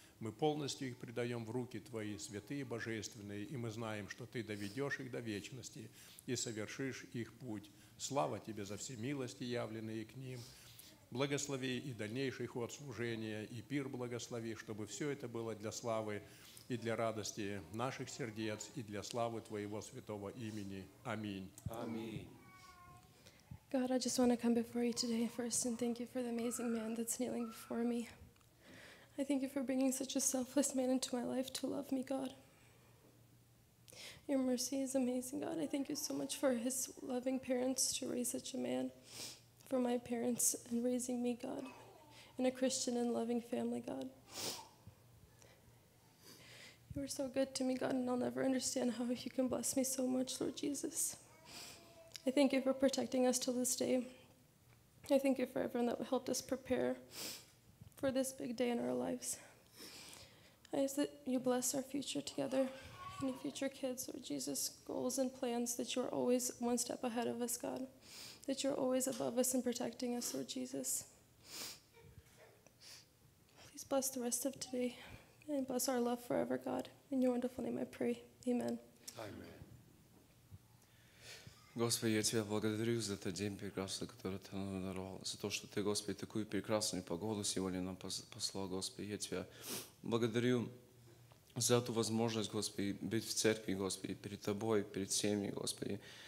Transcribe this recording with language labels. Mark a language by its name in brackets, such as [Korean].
[Russian] Мы полностью их предаем в руки Твои, святые и божественные, и мы знаем, что Ты доведешь их до вечности и совершишь их путь. Слава Тебе за все милости, явленные к ним. Благослови и дальнейший ход служения, и пир благослови, чтобы все это было для славы и для радости наших сердец, и для славы Твоего святого имени. Аминь. Аминь. [English] God, I just want to come before you today first and thank you for the amazing man that's kneeling before me. I thank you for bringing such a selfless man into my life to love me, God. Your mercy is amazing, God. I thank you so much for his loving parents to raise such a man. For my parents and raising me, God, in a Christian and loving family, God. You are so good to me, God, and I'll never understand how you can bless me so much, Lord Jesus. I thank you for protecting us till this day. I thank you for everyone that helped us prepare for this big day in our lives. I ask that you bless our future together, any future kids, Lord Jesus, goals and plans, that you are always one step ahead of us, God. That you're always above us and protecting us, Lord Jesus. Please bless the rest of today and bless our love forever, God. In your wonderful name I pray. Amen. Amen. [Russian] Господи, я Тебя благодарю за этот день прекрасный, который Ты нам даровал, за то, что Ты, Господи, такую прекрасную погоду сегодня нам послал, Господи. Я Тебя благодарю за эту возможность, Господи, быть в церкви, Господи, перед Тобой, перед всеми, Господи.